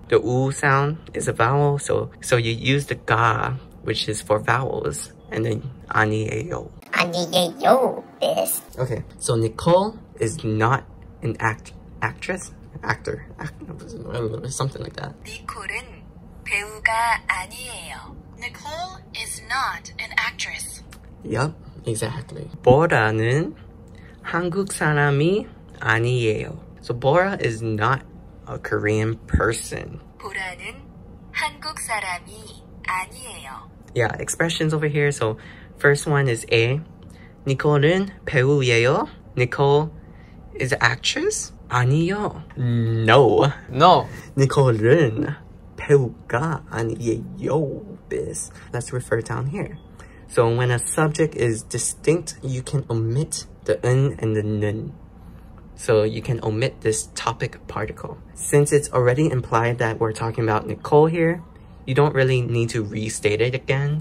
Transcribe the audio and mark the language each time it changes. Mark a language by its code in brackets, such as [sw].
[en] The 우 sound is a vowel, so you use the 가, which is for vowels, and then 아니에요. [ko] 아니에요, is. [en] Okay, so Nicole is not an actor, something like that. [ko] 니콜은 배우가 아니에요. [en] Nicole is not an actress. Yep, exactly. [ko] 보라는 한국 사람이 아니에요. [en] So Bora is not a Korean person. [ko] 보라는 한국 사람이 아니에요. [en] Yeah, expressions over here. So first one is A. [ko] 니콜은 배우예요. [en] Nicole is an actress? [ko] 아니요. [en] No. No. [ko] 니콜은 배우가 아니에요. [en] This. Let's refer down here. So when a subject is distinct, you can omit the 은 and the 는. So you can omit this topic particle. Since it's already implied that we're talking about Nicole here, you don't really need to restate it again.